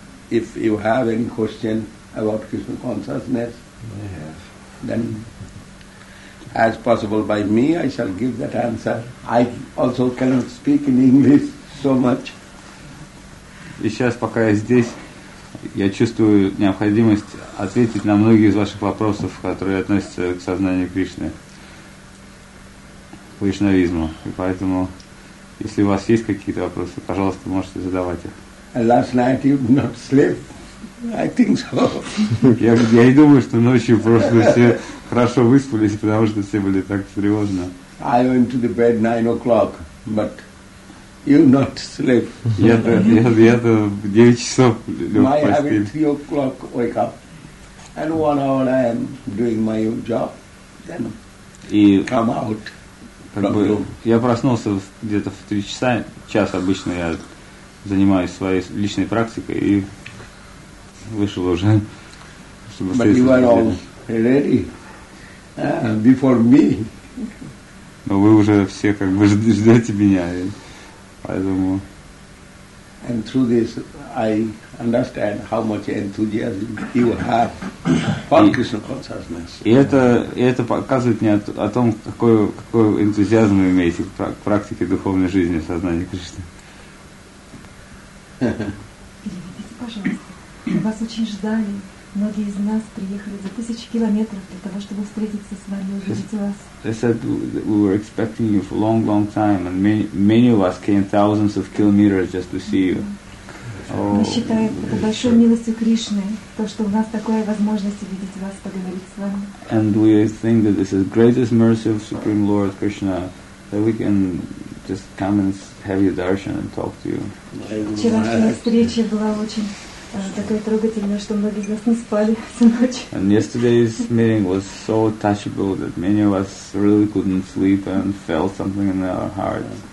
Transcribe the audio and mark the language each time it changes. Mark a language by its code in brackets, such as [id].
[en] If you have any question about Krishna consciousness, then as possible by me, I shall give that answer. I also cannot speak in English so much. [ru] И сейчас, пока я здесь, я чувствую необходимость ответить на многие из ваших вопросов, которые относятся к сознанию Кришны, к вайшнавизму. И поэтому, если у вас есть какие-то вопросы, пожалуйста, можете задавать их. [en] And last night you did not sleep. I think so. [ru] Я и думаю, что ночью просто все хорошо выспались, потому что все были так тревожно. [en] I went to the bed 9 o'clock, but you not sleep. [ru] Я-то 9 часов лег в постель. [en] I have 3 o'clock wake up, and 1 hour I am doing my job, then [ru] и [en] come out. [ru] Я проснулся где-то в 3 часа, час обычно я занимаюсь своей личной практикой и вышел уже. [en] But you are all ready before me. [ru] Но вы уже все как бы ждете меня, поэтому. [en] And through this, I understand how much enthusiasm you have for Krishna consciousness. [ru] И это показывает мне о том, какой энтузиазм вы имеете к практике духовной жизни сознания Кришны. Пожалуйста, вас очень ждали. Многие из нас приехали за 1000 километров для того, чтобы встретиться с вами, увидеть вас. [en] They said we were expecting you for a long, long time, and many of us came thousands of kilometers just to see you. [ru] Мы считаем это большой милостью Кришны, то, что у нас такая возможность увидеть вас, поговорить с вами. [en] And we think that this is greatest mercy of Supreme Lord Krishna, that we can just come and have your darshan and talk to you. [ru] Вчерашняя встреча была очень такая трогательная, что многие из нас не спали всю ночь. [en] And yesterday's meeting was so touchable that many of us really couldn't sleep and felt something in our heart.